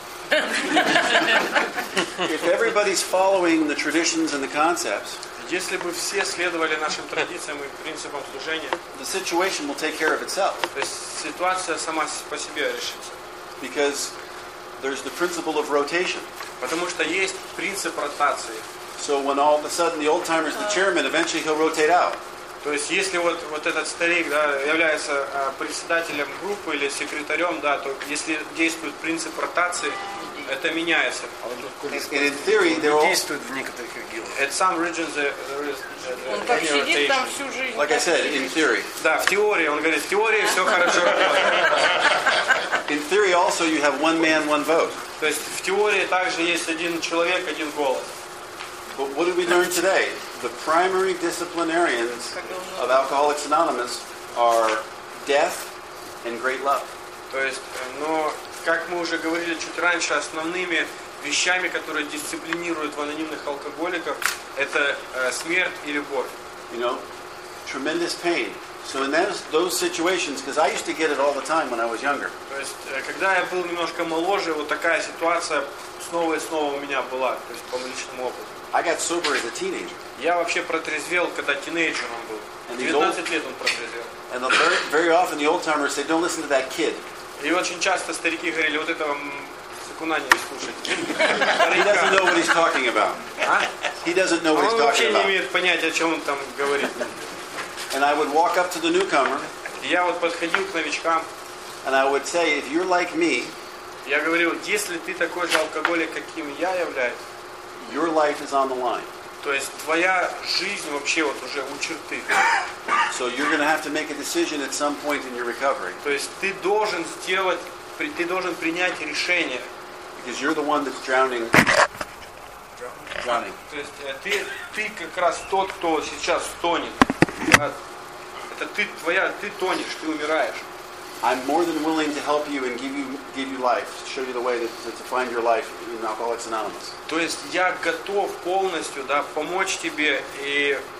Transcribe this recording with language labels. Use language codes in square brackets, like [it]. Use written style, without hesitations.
[en] If everybody's following the traditions and the concepts, [ru] если бы все следовали нашим традициям и принципам служения, [en] the situation will take care of itself. [ru] То есть ситуация сама по себе решится. [en] Because there's the principle of rotation. [ru] Потому что есть принцип ротации. [en] So when all of a sudden the old timer is the chairman, eventually he'll rotate out. [ru] То есть если вот этот старик, да, является председателем группы или секретарем, да, то если действует принцип ротации, это меняется. [en] And in theory, they're all... [ru] Действует в некоторых регионах. [en] At some regions, there is [ru] он так сидит [en] rotation. [ru] Там всю жизнь. [en] Like I said, in theory. [ru] Да, в теории. Он говорит, в теории все хорошо. [en] In theory also you have one man, one vote. [ru] То есть в теории также есть один человек, один голос. [en] But what did we learn today? The primary disciplinarians of Alcoholics Anonymous are death and great love. [ru] То есть, но как мы уже говорили чуть раньше, основными вещами, которые дисциплинируют в анонимных алкоголиков, это смерть и любовь. [en] You know, tremendous pain. So in those situations, because I used to get it all the time when I was younger. [ru] То есть, когда я был немножко моложе, вот такая ситуация снова и снова у меня была, то есть по личному опыту. [en] I got sober as a teenager. [ru] Я вообще протрезвел, когда тинейджером был. 19 лет он протрезвел. [en] And very often the old timers say, "Don't listen to that kid." [ru] И очень часто старики говорили, вот этого сакуна не слушать. [en] He doesn't know what he's talking about. He doesn't know what he's talking about. [ru] Он вообще не имеет понятия, о чем он там говорит. [en] And I would walk up to the newcomer. [ru] Я вот подходил к новичкам. [en] And I would say, "If you're like me." [ru] Я говорил, если ты такой же алкоголик, каким я являюсь. [en] Your life is on the line. [ru] То есть твоя жизнь вообще вот уже у черты. [en] So you're going to have to make a decision at some point in your recovery. То есть ты должен сделать, ты должен принять решение. Because you're the one that's drowning. Drowning. То есть ты как раз тот, кто сейчас тонет. Это ты тонешь, ты умираешь. I'm more than willing to help you and give you life, show you the way to find your life. Alcoholics Anonymous. [ru] То есть я готов полностью, да, помочь тебе и